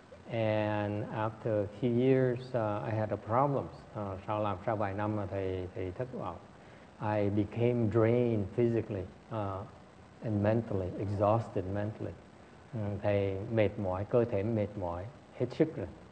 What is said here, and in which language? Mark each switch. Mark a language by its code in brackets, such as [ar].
[en] And after a few years, I had a problem. [vi] Sau làm sau vài năm mà thầy thất vọng. [en] I became drained physically and mentally, exhausted mentally. [vi] Thầy mệt mỏi, cơ thể mệt mỏi, hết sức rồi.